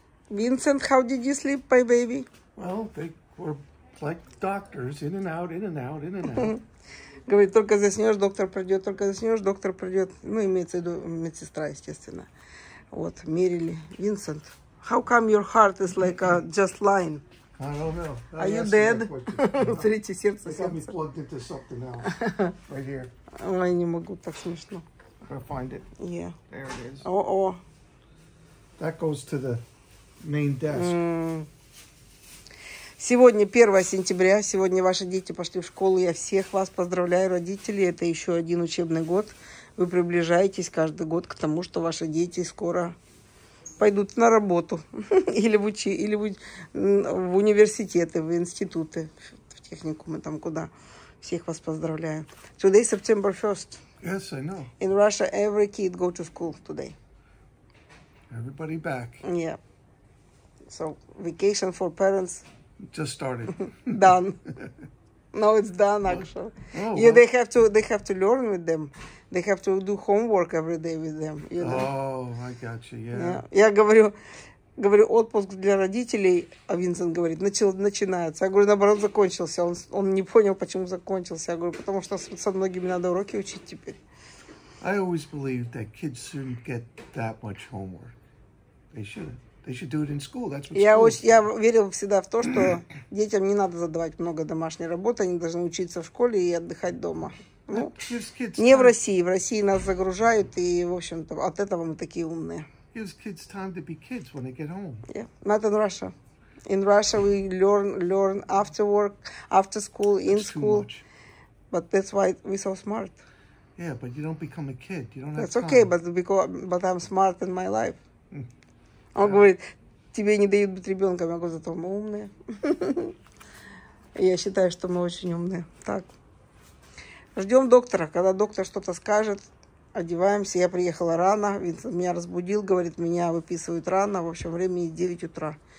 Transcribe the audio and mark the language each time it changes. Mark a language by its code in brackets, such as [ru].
[en] Винсент, how did you sleep, my baby? Well, they were like doctors, in and out, in and out, in and out. [ru] Говорит, только заснешь, доктор придет, только заснешь, доктор придет. Ну, имеется в виду медсестра, естественно. Вот, мерили. [en] Винсент, how come your heart is like a just line? I don't know. Are you dead? [ru] Смотрите, сердце, сердце. [en] They got me plugged into something now. Right here. [ru] Ой, не могу, так смешно. [en] Gotta find it. Yeah. There it is. Oh. That goes to the main desk. Mm. [ru] Сегодня 1 сентября. Сегодня ваши дети пошли в школу. Я всех вас поздравляю, родители. Это еще один учебный год. Вы приближаетесь каждый год к тому, что ваши дети скоро пойдут на работу. Или в университеты, в институты, в техникумы, там куда. Всех вас поздравляю. [en] Today is September 1st. Yes, I know. In Russia, every kid go to school today. Everybody back. Yeah. So, vacation for parents. Just started. Done. No, it's done, actually. Oh, yeah, they have to learn with them. They have to do homework every day with them. You know? Oh, I got you, yeah. [ru] Я говорю, отпуск для родителей, а Винсент говорит, начинается. Я говорю, наоборот, закончился. Он не понял, почему закончился. Я говорю, потому что со многими надо уроки учить теперь. [en] I always believe that kids shouldn't get that much homework. They shouldn't. They should do it in school. That's what school is. [ru] Я верил всегда в то, что детям не надо задавать много домашней работы, они должны учиться в школе и отдыхать дома. Ну, не в России. В России нас загружают, и, в общем-то, от этого мы такие умные. [en] Gives kids time to be kids when they get home. Yeah, not in Russia. In Russia we learn after work, after school, in school. That's too much. But that's why we're so smart. Yeah, but you don't become a kid. You don't have time. That's okay, but I'm smart in my life. [ru] Он говорит, тебе не дают быть ребенком, я говорю, зато мы умные. Я считаю, что мы очень умные. Так. Ждем доктора. Когда доктор что-то скажет, одеваемся. Я приехала рано. Винсент меня разбудил, говорит, меня выписывают рано. В общем, времени 9 утра.